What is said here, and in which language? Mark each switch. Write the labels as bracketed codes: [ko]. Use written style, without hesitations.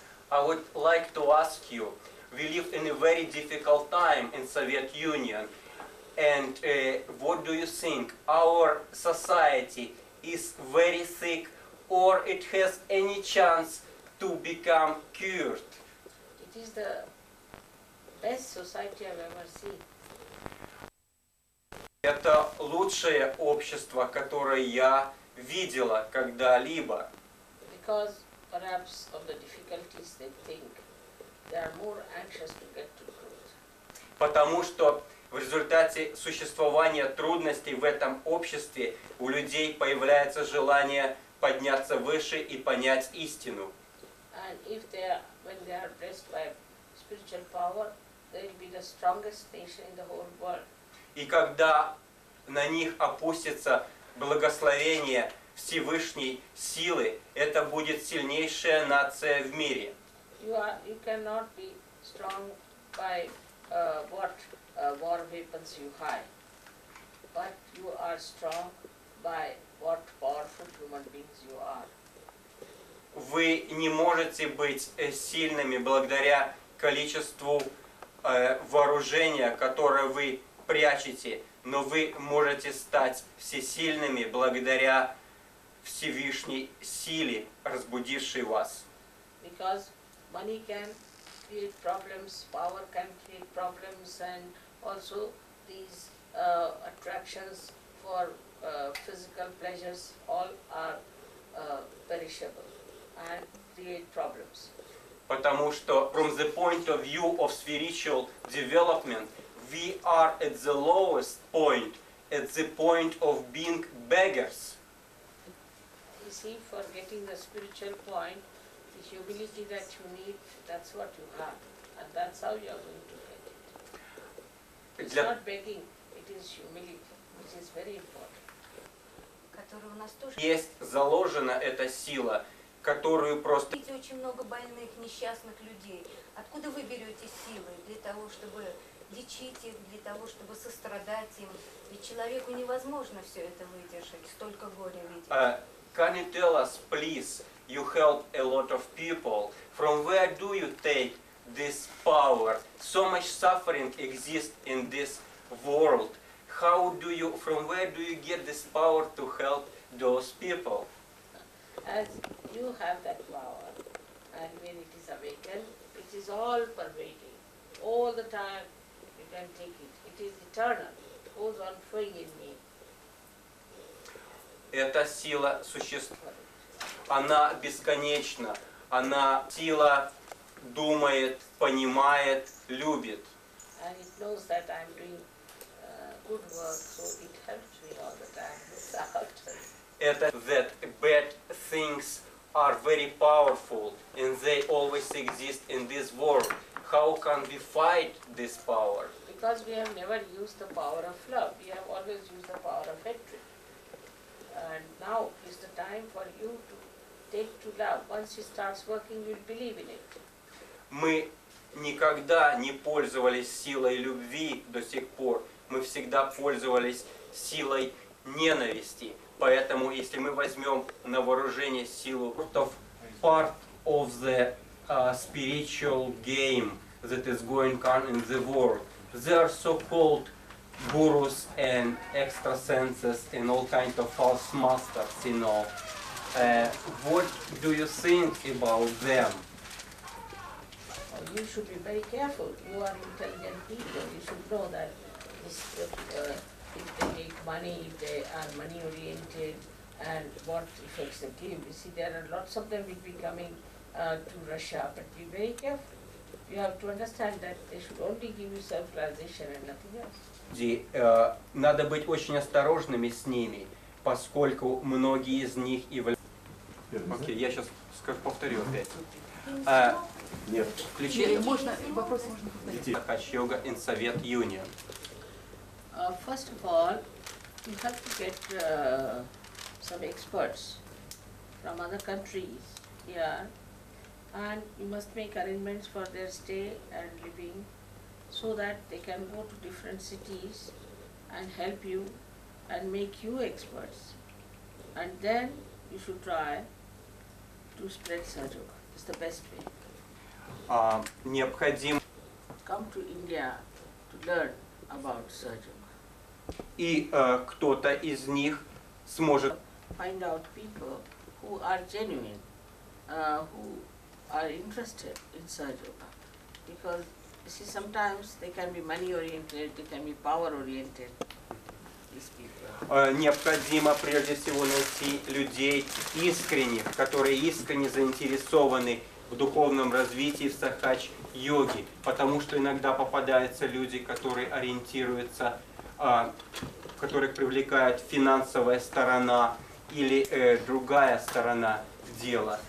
[en] I would like to ask you, we live in a very difficult time in Soviet Union, and what do you think, our society is very sick, or it has any chance to become cured? It is the best society I've ever seen. [ru] Это лучшее общество, которое я видела когда-либо. [en] Because perhaps of the difficulties they think, they are more anxious to get to truth. [ru] Потому что в результате существования трудностей в этом обществе у людей появляется желание подняться выше и понять истину. [en] And if they are, when they are blessed by spiritual power, they will be the strongest nation in the whole world. [ru] И когда на них опустится благословение Всевышней силы, это будет сильнейшая нация в мире. [en] You cannot be strong by what war weapons you have, but you are strong by what powerful human beings you are. [ru] Вы не можете быть сильными благодаря количеству вооружения, которое вы прячете, но вы можете стать всесильными благодаря Всевышней силе, разбудившей вас. [en] Because money can create problems, power can create problems, and also these attractions for physical pleasures all are perishable and create problems. [ru] Потому что [en] from the point of view of spiritual development, we are at the lowest point, at the point of being beggars. You see, for getting the spiritual point, the humility that you need, that's what you have. And that's how you are going to get it. It's not begging, it is humility, which is very important. [ru] Есть заложена эта сила, которую просто... Видите очень много больных, несчастных людей. Откуда вы берете силы для того, чтобы лечить их, для того, чтобы сострадать им? Ведь человеку невозможно все это выдержать, столько горя видеть. [en] Can you tell us, please, you help a lot of people. From where do you take this power? So much suffering exists in this world. How do you, from where do you get this power to help those people? As you have that power, and when it is awakened, it is all pervading. All the time you can take it. It is eternal. It goes on flowing in me. [ru] Эта сила существует. Она бесконечна. Она сила думает, понимает, любит. [en] And it knows that I'm doing good work, so it helps me all the time. That bad things are very powerful and they always exist in this world. How can we fight this power? Because we have never used the power of love. We have always used the power of hatred. And now is the time for you to take to love. Once it starts working, you'll believe in it. [ru] Мы никогда не пользовались силой любви до сих пор. Мы всегда пользовались силой ненависти. Поэтому, если мы возьмем на вооружение силу, то [en] part of the spiritual game that is going on in the world, there are so-called gurus and extrasenses and all kinds of false masters, you know. What do you think about them? You should be very careful. You are intelligent people. You should know that this, if they make money, if they are money-oriented, and what effects they give. You see, there are lots of them will be coming to Russia, but be very careful. You have to understand that they should only give you self-realization and nothing else. [ru] Надо быть очень осторожными с ними, поскольку многие из них и... Окей, я сейчас скажу, повторю опять. Нет. Включили? Можно, вопрос можно повторить. [en] Акаш-йога in Soviet Union. First of all, you have to get some experts from other countries here, and you must make arrangements for their stay and living so that they can go to different cities and help you and make you experts. And then you should try to spread Sahaja. It's the best way. [ru] Необходимо. [en] Come to India to learn about Sahaja. [ru] И кто-то из них сможет [en] find out people who are genuine, who are interested in Sahaja. Because you see, sometimes they can be money oriented, they can be power oriented, these people. [ru] Необходимо прежде всего найти людей искренних, которые искренне заинтересованы в духовном развитии в Сахач-йоге, потому что иногда попадаются люди, которые ориентируются, которых привлекает финансовая сторона или другая сторона дела.